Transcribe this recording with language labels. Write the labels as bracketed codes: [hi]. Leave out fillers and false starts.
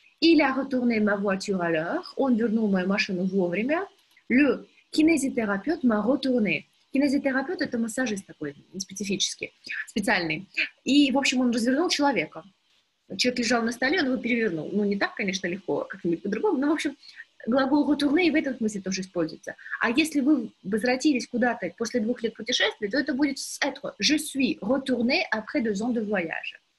[fr] Il a retourné ma voiture à l'heure. [ru] Он вернул мою машину вовремя. [fr] Le kinésithérapeute m'a retourné. [ru] Кинезитерапевт – это массажист такой специфический, специальный. И, в общем, он развернул человека. Человек лежал на столе, он его перевернул. Ну, не так, конечно, легко, как-нибудь по-другому. Но, в общем, глагол «retourner» в этом смысле тоже используется. А если вы возвратились куда-то после двух лет путешествия, то это будет «être». [fr] «Je suis retourné après deux ans de voyage».